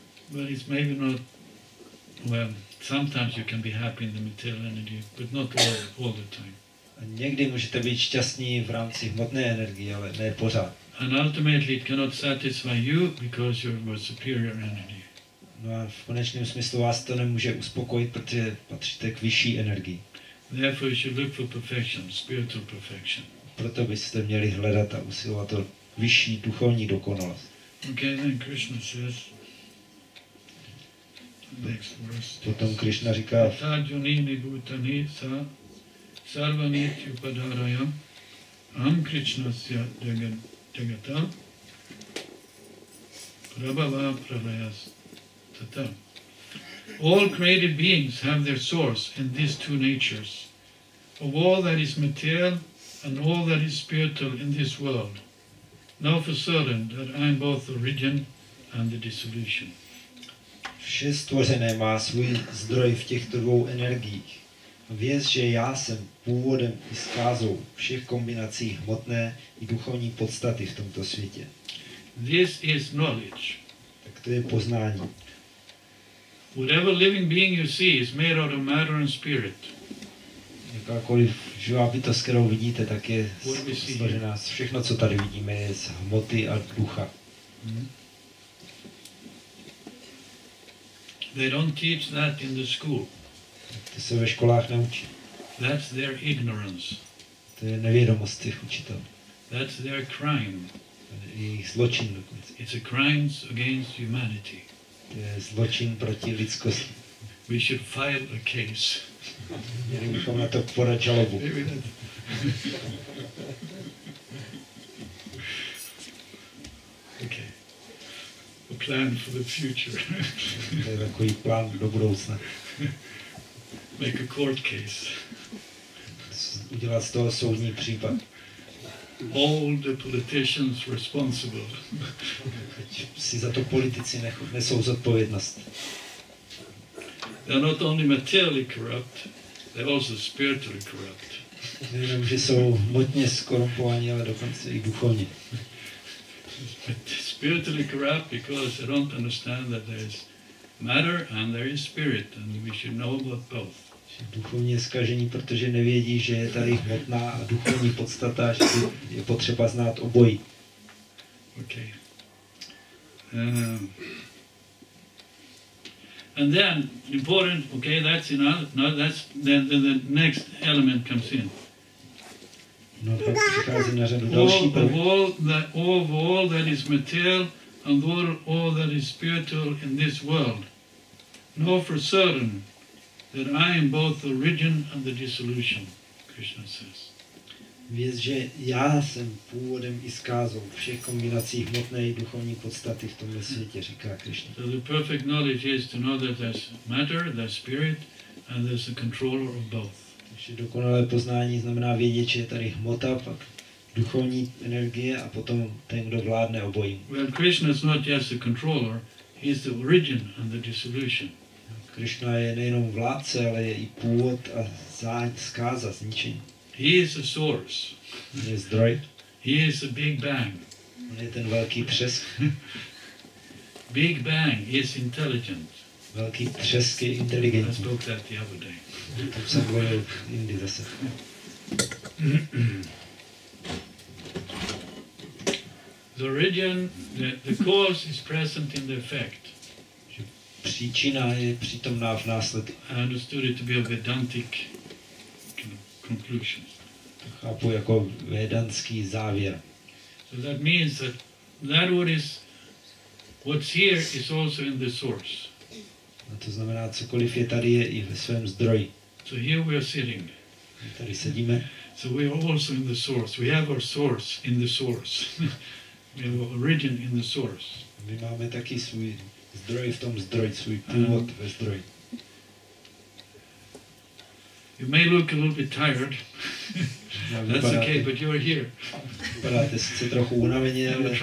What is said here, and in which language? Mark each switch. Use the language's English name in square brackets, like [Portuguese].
[English] But it's maybe not, well, sometimes you can be happy in the material energy, but not all the time. [Czech] A někdy můžete být šťastní v rámci hmotné energie, ale ne pořád. [English] And ultimately it cannot satisfy you because you're a superior energy. [Czech] No a v konečném smyslu vás to nemůže uspokojit, protože patříte k vyšší energii. [English] Therefore you should look for perfection, spiritual perfection. [Czech] Proto byste měli hledat a usilovat o vyšší duchovní dokonalost. [English] Okay, then Krishna says, next verse. [Czech] Potom Krishna říká, [Sanskrit] Tadjuni nibhutani sa sarvanit yupadaraya am Krishnasya jagata prabhava pralayas tata. [English] All created beings have their source in these two natures. Of all that is material and all that is spiritual in this world, know for certain that I am both the origin and the dissolution. [Czech] Vše stvořené má svůj zdroj v těchto dvou energiích. Věz, že já jsem původem i zkázou všech kombinací hmotné i duchovní podstaty v tomto světě. [English] This is knowledge. [Czech] Tak to je poznání. [English] Whatever living being you see is made out of matter and spirit. [Czech] Jakákoliv živá bytost, kterou vidíte, tak je složená. Všechno, co tady vidíme, je z hmoty a ducha. [English] They don't teach that in the school. [Czech] To se ve školách neučí. [English] That's their ignorance. [Czech] To je nevědomost těch učitelů. [English] That's their crime. [Czech] To je jejich zločin dokonce. [English] It's a crime against humanity. [Czech] To je zločin proti lidskosti. [English] We should file a case. [Czech] Měli bychom na to podat žalobu. [English] Okay. A plan for the future. [Czech] To je takový plán do budoucna. [English] Make a court case. [Czech] Udělat z toho soudní případ. [English] All the politicians responsible. [Czech] Ať si za to politici nesou zodpovědnost. [English] They are not only materially corrupt, they are also spiritually corrupt. [Czech] Nejenom, že jsou hmotně skorumpovaní, ale dokonce i duchovně. [English] Spiritually corrupt because they don't understand that there is matter and there is spirit and we should know about both. [Czech] Duchovně zkažení, protože nevědí, že je tady hmotná a duchovní podstata, že je potřeba znát obojí. [English] Okay. And then important, okay, that's enough. No, that's then the next element comes in. [Czech] No, pak přichází na řadu další prvek. [English] All that is material and all that is spiritual in this world. Know for certain that I am both the origin and the dissolution, Krishna says. [Czech] Věz, že já jsem původem i zkázou všech kombinací hmotné i duchovní podstaty v tomhle světě, říká Krishna. [English] So the perfect knowledge is to know that there's matter, there's spirit, and there's a controller of both. [Czech] Takže dokonalé poznání znamená vědět, že je tady hmota, pak duchovní energie a potom ten, kdo vládne obojím. [English] Well, Krishna is not just the controller, he's the origin and the dissolution. [Czech] Krishna je nejenom vládce, ale je i původ a zkáza, zničení. [English] He is the source. [Czech] On je zdroj. [English] He is the Big Bang. [Czech] On je ten velký třesk. [English] Big Bang is intelligent. [Czech] Velký třesk je inteligentní. [English] I spoke that the other day. [Czech] To jsem mluvil jindy zase. [English] The origin, the cause is present in the effect. [Czech] Příčina je přítomná v následku. [English] I understood it to be a Vedantic conclusion. [Czech] Chápu jako vedanský závěr. [English] So that means that that what is what's here is also in the source. [Czech] A to znamená, cokoliv je tady, je i ve svém zdroji. [English] So here we are sitting. [Czech] Tady sedíme. [English] So we are also in the source. We have our source in the source. We have our origin in the source. [Czech] My máme taky svůj zdroj v tom zdroji, svůj původ ve zdroji. [English] You may look a little bit tired. That's okay, but you are here. [Czech] Vypadáte sice trochu unaveně,